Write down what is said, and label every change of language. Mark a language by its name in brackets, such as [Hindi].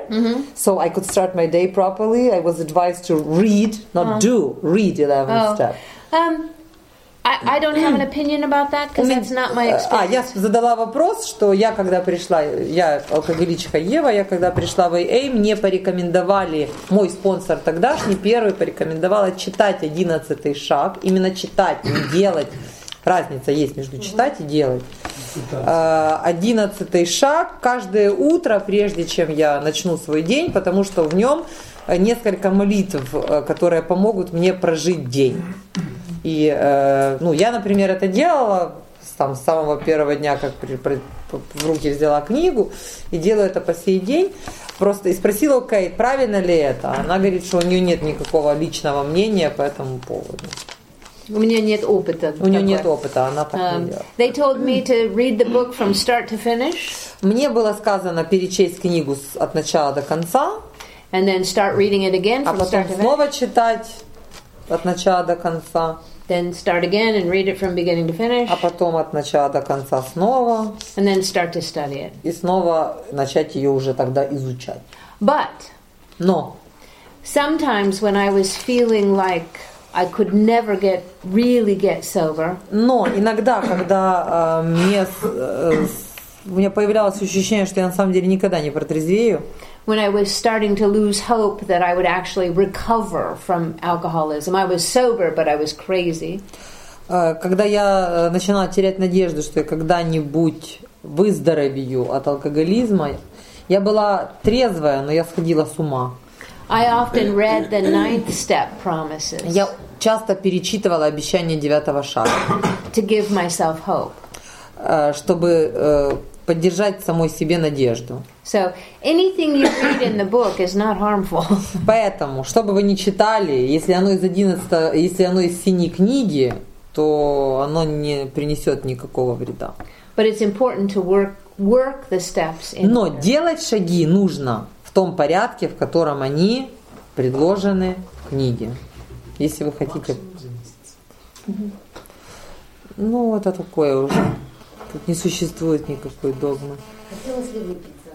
[English] Mm-hmm. So I could start my day properly. I was advised to read, not do, read 11th step. I don't have an opinion about that because that's not my experience. [Russian] Я задала вопрос, что я когда пришла, я алкоголичка Ева, я когда пришла в AA, мне порекомендовали, мой спонсор тогдашний, первый порекомендовал читать 11-й шаг, именно читать, не делать. Разница есть между читать и делать. 11-й шаг каждое утро, прежде чем я начну свой день, потому что в нем несколько молитв, которые помогут мне прожить день. И, ну, я, например, это делала там, с самого первого дня, как в руки взяла книгу, и делаю это по сей день. Просто и спросила у Кейт, правильно ли это. Она говорит, что у нее нет никакого личного мнения по этому поводу. У меня нет опыта. У нее нет опыта, она так не делает. [English] They told me to read the book from start to finish. [Russian] Мне было сказано перечесть книгу от начала до конца. [English] And then start reading it again from start to finish. [Russian] А потом снова читать. От начала до конца. [English] Then start again and read it from beginning to finish. [Russian] А потом от начала до конца снова. [English] And then start to study it. [Russian] И снова начать ее уже тогда изучать. [English] But. [Russian] Но. [English] Sometimes when I was feeling like I could never get really get sober. [Russian] Но иногда, когда у меня появлялось ощущение, что я на самом деле никогда не протрезвею. [English] When I was starting to lose hope that I would actually recover from alcoholism. I was sober, but I was crazy. [Russian] когда я начинала терять надежду, что я когда-нибудь выздоровею от алкоголизма, я была трезвая, но я сходила с ума. [English] I often read the ninth step promises. [Russian] Я часто перечитывала обещания девятого шага. [English] To give myself hope. [Russian] Чтобы поддержать самой себе надежду. [English] So anything you read in the book is not harmful. [Russian] Поэтому, что бы вы ни читали, если оно из 11, если оно из синей книги, то оно не принесет никакого вреда. [English] But it's important to work the steps in. [Russian] Но делать шаги нужно в том порядке, в котором они предложены в книге. Если вы хотите. Ну, это такое уже. Тут не существует никакой догмы. Хотелось ли выпить?